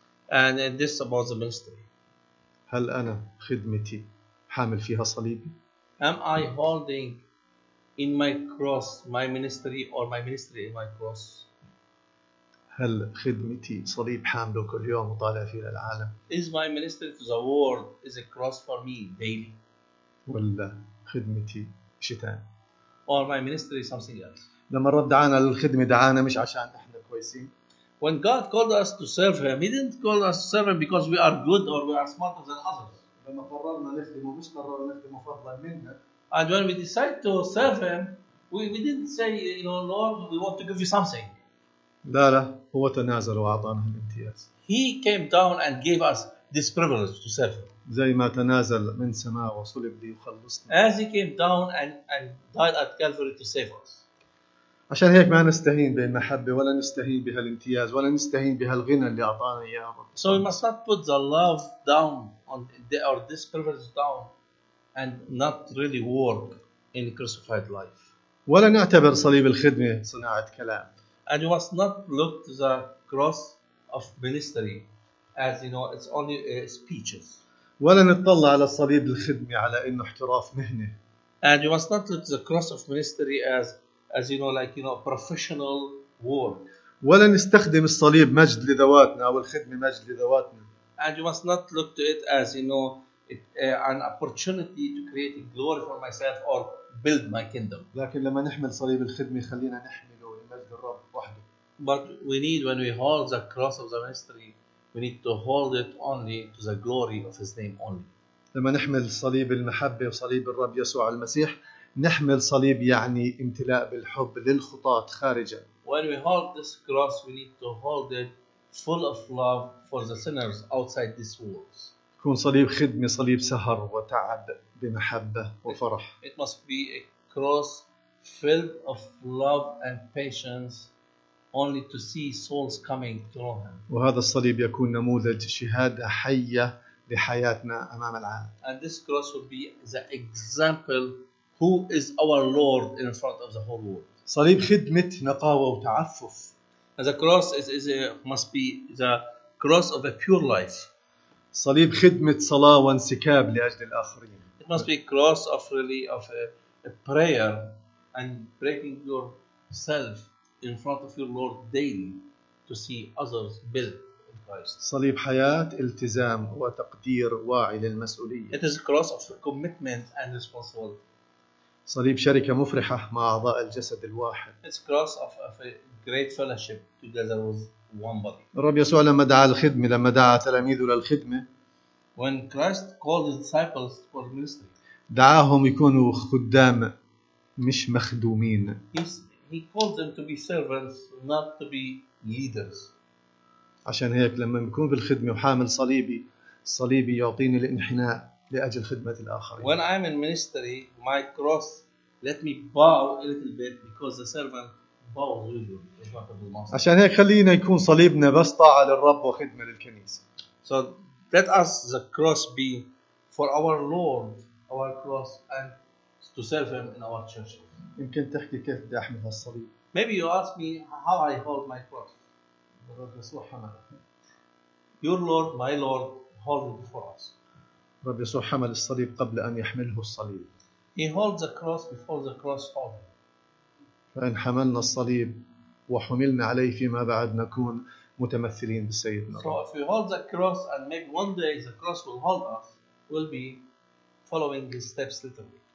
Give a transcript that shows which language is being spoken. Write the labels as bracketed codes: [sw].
[en] And this about the ministry. [ar] هل أنا خدمتي حامل فيها صليبي؟ [en] Am I holding in my cross my ministry or my ministry in my cross? [ar] هل خدمتي صليب حامله كل يوم وطالع فيه للعالم؟ [en] Is my ministry to the world is a cross for me daily? [ar] ولا خدمتي شتان. [en] Or my ministry something else. [ar] لما الرب دعانا للخدمة دعانا مش عشان احنا كويسين. [en] When God called us to serve him, he didn't call us to serve him because we are good or we are smarter than others. [ar] لما قررنا نخدمه مش قررنا نخدمه فضلا منه. [en] And when we decide to serve him, we didn't say, you know, Lord, we want to give you something. [ar] لا لا هو تنازل واعطانا الامتياز. [en] He came down and gave us this privilege to serve him. [ar] زي ما تنازل من سماء وصلب ليخلصنا. [en] As he came down and died at Calvary to save us. [ar] عشان هيك ما نستهين بالمحبة ولا نستهين بهالامتياز ولا نستهين بهالغنى اللي أعطانا إياه. [en] So we must not put the love down on the or this privilege down and not really work in crucified life. [ar] ولا نعتبر صليب الخدمة صناعة كلام. [en] And you must not look to the cross of ministry as you know it's only speeches. [ar] ولا نتطلع على صليب الخدمة على إنه احتراف مهنة. [en] And you must not look to the cross of ministry as you know like you know professional work. [ar] ولا نستخدم الصليب مجد لذواتنا أو الخدمة مجد لذواتنا. [en] And you must not look to it as you know it, an opportunity to create glory for myself or build my kingdom. [ar] لكن لما نحمل صليب الخدمة خلينا نحمله لمجد الرب وحده. [en] But we need when we hold the cross of the ministry. We need to hold it only to the glory of His name only. [ar] لما نحمل صليب المحبة وصليب الرب يسوع المسيح نحمل صليب يعني امتلاء بالحب للخطاة خارجا. [en] When we hold this cross, we need to hold it full of love for the sinners outside this world. [ar] يكون صليب خدمة صليب سهر وتعب بمحبة وفرح. [en] It must be a cross filled of love and patience. Only to see souls coming to him. [ar] وهذا الصليب يكون نموذج شهادة حية لحياتنا أمام العالم. [en] And this cross will be the example who is our Lord in front of the whole world. [ar] صليب خدمة نقاوة وتعفف. [en] And the cross must be the cross of a pure life. [ar] صليب خدمة صلاة وانسكاب لأجل الآخرين. [en] It must be a cross of really of a prayer and breaking yourself. In front of your Lord daily to see others built in Christ. [ar] صليب حياة التزام وتقدير واعي للمسؤولية. [en] It is a cross of commitment and responsibility. [ar] صليب شركة مفرحة مع أعضاء الجسد الواحد. [en] It's a cross of a great fellowship together with one body. [ar] الرب يسوع لما دعا الخدمة لما دعا تلاميذه للخدمة. [en] When Christ called his disciples for ministry. [ar] دعاهم يكونوا خدام مش مخدومين. [en] He called them to be servants, not to be leaders. [ar] عشان هيك لما بكون بالخدمة وحامل صليبي صليبي يعطيني الانحناء لأجل خدمة الآخرين. [en] When I'm in ministry, my cross let me bow a little bit because the servant bows with me. [ar] عشان هيك خلينا يكون صليبنا بس طاعة للرب وخدمة للكنيسة. [en] So let us the cross be for our Lord, our cross, and to serve him in our church. [ar] يمكن تحكي كيف بدي احمل هالصليب. [en] Maybe you ask me how I hold my cross. [ar] الرب يسوع حمل. [en] Your Lord, my Lord, hold it for us. [ar] الرب يسوع حمل الصليب قبل ان يحمله الصليب. [en] He holds the cross before the cross hold him. [ar] فان حملنا الصليب وحملنا عليه فيما بعد نكون متمثلين بسيدنا. [en] So if we hold the cross and maybe one day the cross will hold us, we'll be following his steps literally.